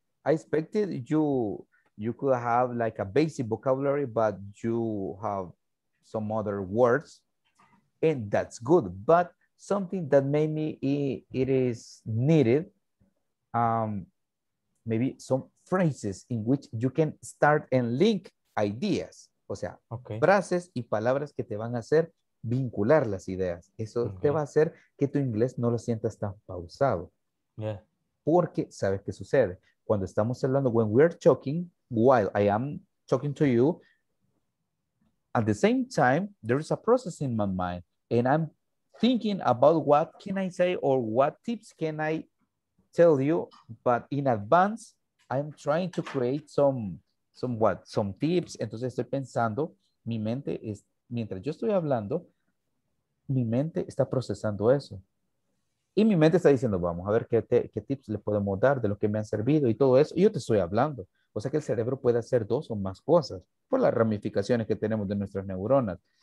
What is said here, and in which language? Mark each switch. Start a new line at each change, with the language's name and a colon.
English: I expected you could have like a basic vocabulary, but you have some other words and that's good. But something that maybe it is needed, maybe some phrases in which you can start and link ideas.
Spanish: O sea, okay, frases y palabras que te van a hacer vincular las ideas. Eso, okay, te va a hacer que tu inglés no lo sientas tan pausado. Yeah. Porque, ¿sabes qué sucede? Cuando estamos hablando,
English: when we're talking, while I am talking to you, at the same time, there is a process in my mind. And I'm thinking about what can I say or what tips can I tell you. But in advance, I'm trying to create some tips.
Spanish: Entonces estoy pensando, mi mente es, mientras yo estoy hablando, mi mente está procesando eso. Y mi mente está diciendo, vamos a ver qué tips le podemos dar de lo que me han servido y todo eso. Y yo te estoy hablando. O sea que el cerebro puede hacer dos o más cosas por las ramificaciones que tenemos de nuestras neuronas.